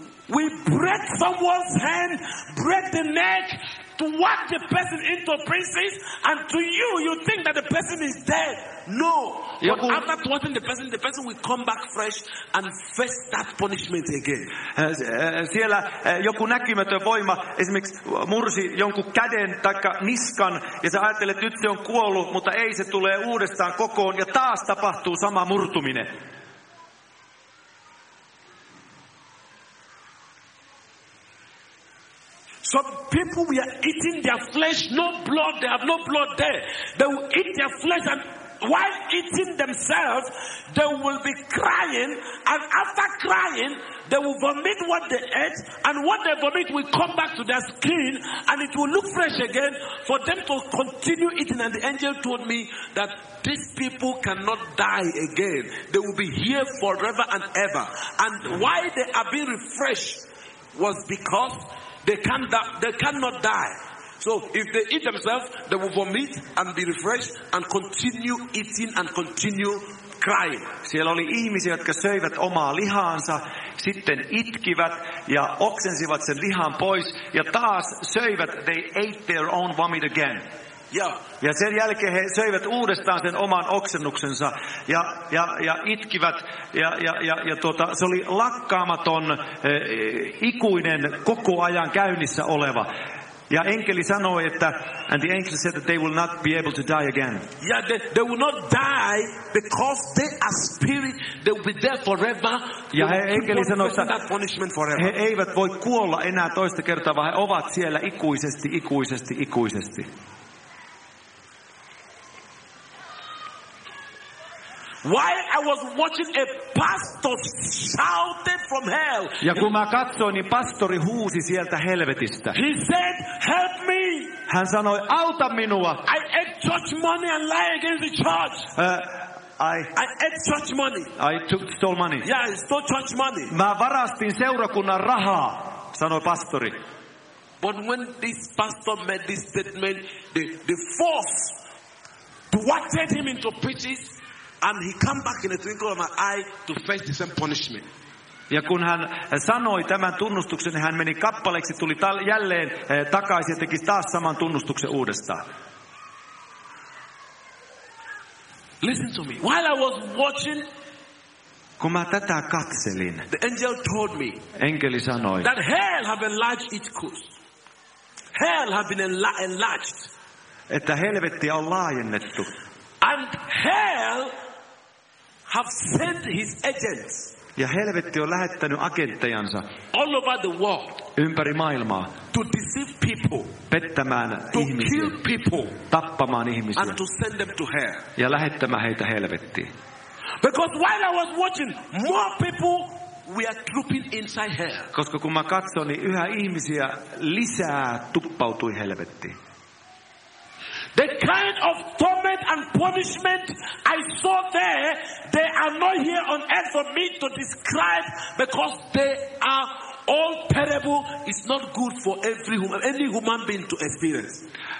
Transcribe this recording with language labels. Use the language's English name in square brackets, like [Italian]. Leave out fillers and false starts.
[English] We break someone's hand, break the neck, to walk the person into pieces, and to you think that the person is dead. No. But after thwarting the person will come back fresh and face that punishment again. [Finnish] Siellä joku näkymätön voima esimerkiksi mursi jonkun käden taikka niskan, ja sä ajattelet, että nyt se on kuollut, mutta ei, se tulee uudestaan kokoon, ja taas tapahtuu sama murtuminen. [English] Some people, we are eating their flesh, no blood, they have no blood there. They will eat their flesh, and while eating themselves, they will be crying, and after crying, they will vomit what they ate, and what they vomit will come back to their skin, and it will look fresh again for them to continue eating. And the angel told me that these people cannot die again. They will be here forever and ever. And why they are being refreshed was because they cannot die. So if they eat themselves, they will vomit and be refreshed and continue eating and continue crying. [Finnish] Siellä oli ihmisiä, jotka söivät omaa lihaansa, sitten itkivät ja oksensivat sen lihan pois ja taas söivät. [English] They ate their own vomit again. Yeah. [Finnish] Ja sen jälkeen he söivät uudestaan sen oman oksennuksensa ja itkivät, ja tuota, se oli lakkaamaton, ikuinen, koko ajan käynnissä oleva. Ja enkeli sanoi, että [English] and the angel said that they will not be able to die again. Yeah, they will not die because they are spirit. They will be there forever. [Finnish] Ja enkeli sanoi, että [English] that punishment forever. [Finnish] He eivät voi kuolla enää toista kertaa, vaan he ovat siellä ikuisesti, ikuisesti, ikuisesti. [English] While I was watching, a pastor shouted from hell. [Finnish] Ja kun mä katsoin, niin pastori huusi sieltä helvetistä. [English] He said, help me. [Finnish] Hän sanoi, auta minua. [English] I ate church money and lie against the church. I ate church money. I stole money. Yeah, I stole church money. [Finnish] Mä varastin seurakunnan rahaa, sanoi pastori. [English] But when this pastor made this statement, the force thwarted him into pieces. And he came back in a twinkle of an eye to face the same punishment. [Finnish] Ja kun hän sanoi tämän tunnustuksen, hän meni kappaleeksi, tuli jälleen takaisin ja teki taas saman tunnustuksen uudestaan. [English] Listen to me. While I was watching, [Finnish] kun mä tätä katselin, [English] the angel told me, [Finnish] enkeli sanoi, [English] that hell have enlarged its course. Hell have been enlarged. [Finnish] Että helvettiä on laajennettu. [English] And hell have sent his agents. [Finnish] Ja helvetti on lähettänyt agenttejansa [English] all over the world, [Finnish] ympäri maailmaa, [English] to deceive people, [Finnish] pettämään [English] to [Finnish] ihmisiä, [English] kill people, [Finnish] tappamaan ihmisiä, [English] and to send them to hell. [Finnish] Ja lähettämään heitä helvettiin. [English] Because while I was watching, more people were trooping inside hell. [Finnish] Koska kun mä katson, niin yhä ihmisiä lisää tuppautui helvettiin. [English] The kind of torment and punishment I saw there, they are not here on earth for me to describe, because they are all terrible. It's not good for every human, any human being to experience.